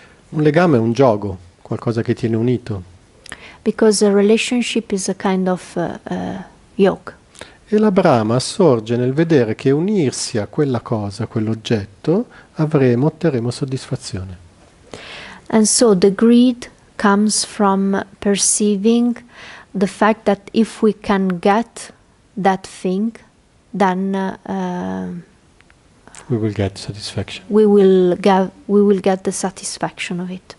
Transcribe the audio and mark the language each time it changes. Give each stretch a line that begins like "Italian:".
Italian: Un legame è un gioco, qualcosa che tiene unito.
English: Because a relationship is a kind of yoke.
Italian: E la brama sorge nel vedere che unirsi a quella cosa, a quell'oggetto, otterremo soddisfazione.
English: And so the greed comes from perceiving the fact that if we can get that thing, then We will get satisfaction. we will get the satisfaction of it.